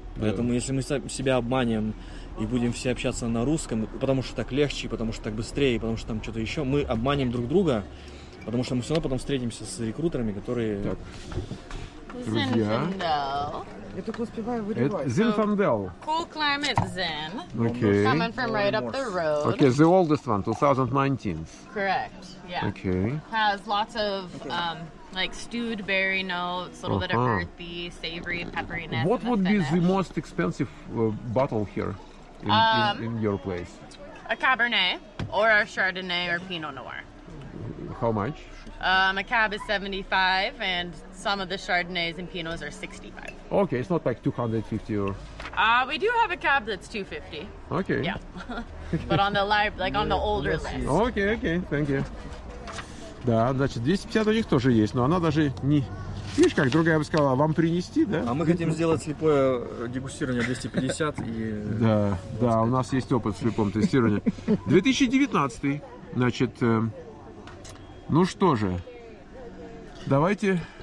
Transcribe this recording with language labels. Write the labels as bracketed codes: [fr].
[ru] Поэтому если мы себя обманем и будем все общаться на русском, потому что так легче, потому что так быстрее, потому что там что-то еще, мы обманем друг друга, потому что мы все равно потом встретимся с рекрутерами, которые... Так. Друзья. Я только успеваю вырывать. Это Zinfandel. [en] Cool climate Zin. Okay. Coming from right up the road. Okay, the oldest one, 2019. Correct, yeah. Okay. Has lots of like stewed berry notes, a little bit of earthy, savory, pepperiness. What would be the most expensive bottle here in your place? A Cabernet or a Chardonnay or Pinot Noir. How much? A cab is 75 and some of the Chardonnays and Pinots are 65. Okay, it's not like 250 or... We do have a cab that's 250. Okay. Yeah. But on the on the older list. Okay, thank you. [ru] Да, значит, 250 у них тоже есть, но она даже не... Видишь, как другая бы сказала, вам принести, да? А мы хотим сделать слепое дегустирование 250 и... Да, да, у нас есть опыт в слепом тестировании. 2019, значит... Ну что же, давайте...